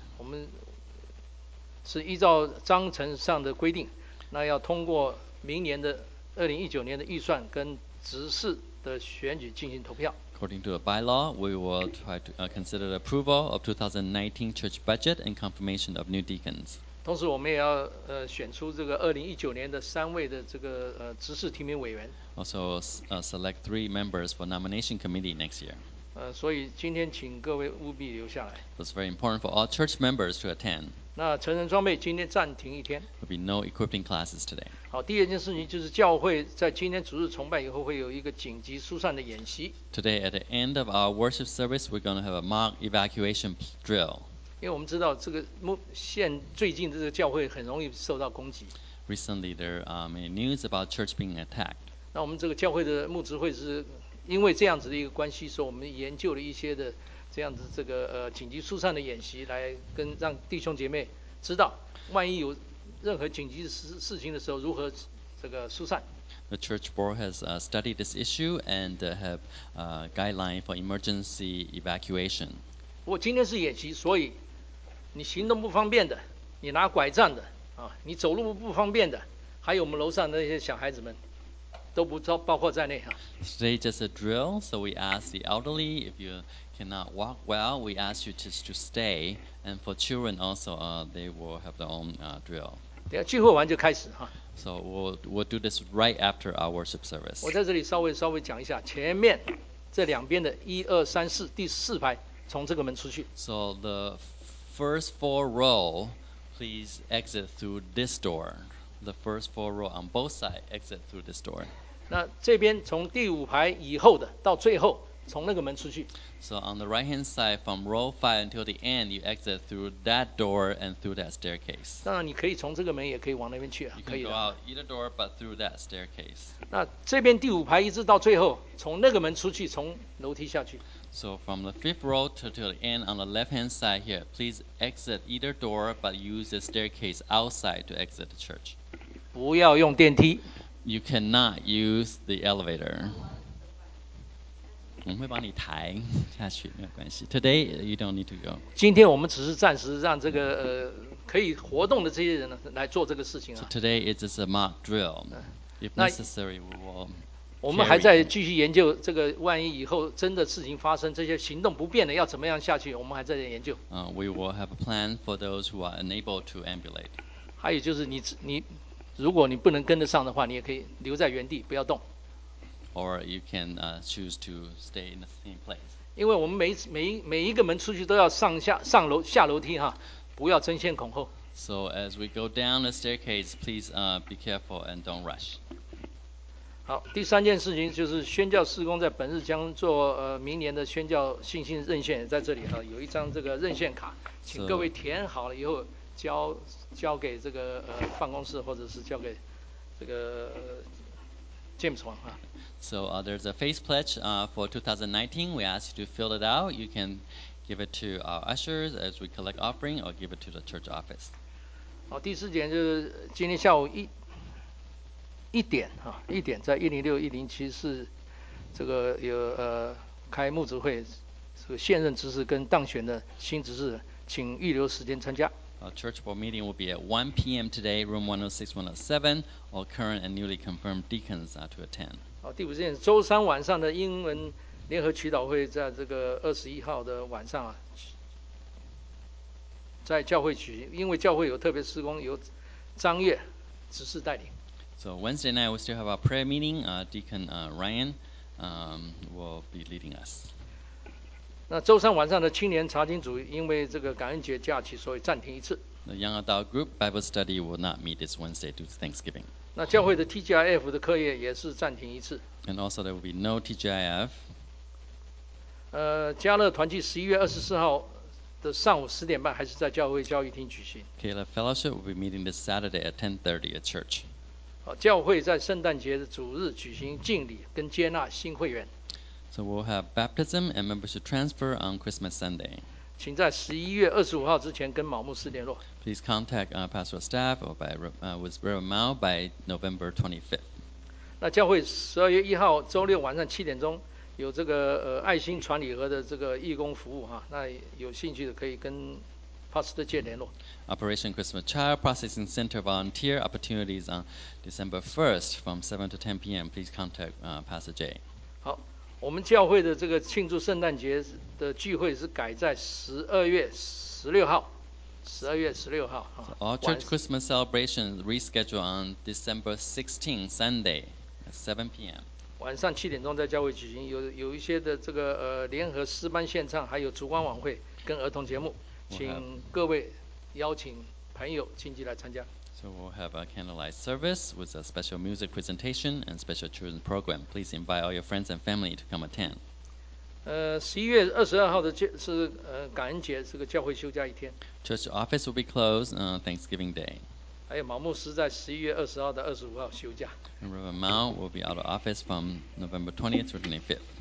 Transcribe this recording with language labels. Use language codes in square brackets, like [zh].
[zh] 我们是依照章程上的规定，那要通过明年的2019年的预算跟执事。 [en] According to a bylaw, we will try to consider the approval of 2019 church budget and confirmation of new deacons. [zh] 同时我们也要选出这个2019年的三位的这个执事提名委员。 [en] Also select three members for nomination committee next year. [zh] 所以今天请各位务必留下来。 [en] It's very important for all church members to attend. [zh] 那成人装备今天暂停一天。 [en] There'll be no equipping classes today. [zh] 好，第二件事情就是教会在今天主日崇拜以后会有一个紧急疏散的演习。 [en] Today at the end of our worship service, we're going to have a mock evacuation drill. [zh] 因为我们知道这个现最近这个教会很容易受到攻击。 [en] Recently, there are many news about church being attacked. [zh] 那我们这个教会的牧职会是因为这样子的一个关系，所以我们研究了一些的这样子这个紧急疏散的演习，来跟让弟兄姐妹知道，万一有。任何紧急事情的时候，如何这个疏散 [en] ？The church board has studied this issue and have a guideline for emergency evacuation. [zh] 我今天是演习，所以你行动不方便的，你拿拐杖的啊，你走路不方便的，还有我们楼上的那些小孩子们，都不包括在内啊。 [en] Today just a drill, so we ask the elderly if you cannot walk well, we ask you just to stay. And for children also, they will have their own drill. [zh] 等下聚会完就开始哈。 [en] So we'll do this right after our worship service. [zh] 我在这里稍微讲一下，前面这两边的一二三四第四排从这个门出去。 [en] So the first four row, please exit through this door. The first four row on both sides, exit through this door. [zh] 那这边从第五排以后的到最后。从那个门出去。 [en] So on the right hand side, from row 5 until the end, you exit through that door and through that staircase. [zh] 当然你可以从这个门也可以往那边去、啊、 [en] You can go out either door, but through that staircase. [zh] 那这边第五排一直到最后，从那个门出去，从楼梯下去。 [en] So from the fifth row to the end on the left hand side here, please exit either door, but use the staircase outside to exit the church. [zh] 不要用电梯。 [en] You cannot use the elevator. [zh] 我们会帮你抬下去，没有关系。 [en] Today you don't need to go。 [zh] 今天我们只是暂时让这个可以活动的这些人来做这个事情啊。 [en] So、today it's just a mock drill。 If necessary, we will. [zh] 我们还在继续研究这个，万一以后真的事情发生，这些行动不便的要怎么样下去？我们还在研究。 [en] We will have a plan for those who are unable to ambulate. [zh] 还有就是你如果你不能跟得上的话，你也可以留在原地，不要动。 [en] Or you can choose to stay in the same place. [zh] 因为我们每一个门出去都要上楼梯哈，不要争先恐后。 [en] So as we go down the staircase, please be careful and don't rush. [zh] 好，第三件事情就是宣教事工在本日将做明年的宣教信心任线在这里哈，有一张这个任线卡，请各位填好了以后交给这个办公室或者是交给这个James 王哈。 [en] So there's a face pledge for 2019. We ask you to fill it out. You can give it to our ushers as we collect offering or give it to the church office. [zh] 好，第四件就是今天下午一点在106107是这个有开牧职会，这个现任执事跟当选的新执事，请预留时间参加。 [en] Our church board meeting will be at 1 p.m. today, room 106107. All current and newly confirmed deacons are to attend. [zh] 好，第五件，周三晚上的英文联合祈祷会在这个21号的晚上啊，在教会举行，因为教会有特别事工，由张月执事带领。 [en] So Wednesday night we still have our prayer meeting. Deacon Ryan will be leading us. [zh] 那周三晚上的青年查经组因为这个感恩节假期，所以暂停一次。 [en] The Young Adult Group Bible Study will not meet this Wednesday due to Thanksgiving. [zh] 那教会的 TGIF 的课业也是暂停一次。 [en] And also there will be no TGIF. [zh] 加勒团契11月24号的上午10点半还是在教会教育厅举行。 [en] Caleb Fellowship will be meeting this Saturday at 10:30 at church. [zh] 教会在圣诞节的主日举行敬礼跟接纳新会员。 [en] So we'll have baptism and membership transfer on Christmas Sunday. [zh] 请在11月25号之前跟毛牧师联络。 [en] Please contact our pastoral staff or by with Reverend Mao by November 25th. [zh] 那教会12月1号周六晚上7点有这个爱心传礼盒的这个义工服务哈，那有兴趣的可以跟。 [en] Operation Christmas Child Processing Center volunteer opportunities on December 1st from 7 to 10 p.m. Please contact Pastor Jay. [zh] 好，我们教会的这个庆祝圣诞节的聚会是改在12月16号。 [en] All church Christmas celebrations reschedule on December 16th, Sunday, at 7 p.m. [zh] 晚上7点在教会举行，有一些的这个联合诗班献唱，还有烛光晚会跟儿童节目。请各位邀请朋友亲戚来参加。 [en] So we'll have a candlelight service with a special music presentation and special children's program. Please invite all your friends and family to come attend. [zh] 11月22号的是感恩节，是个教会休假一天。 [en] Church office will be closed on Thanksgiving Day. [zh] 还有毛牧师在11月20号到25号休假。 [en] And Reverend Mao will be out of office from November 20th to 25th.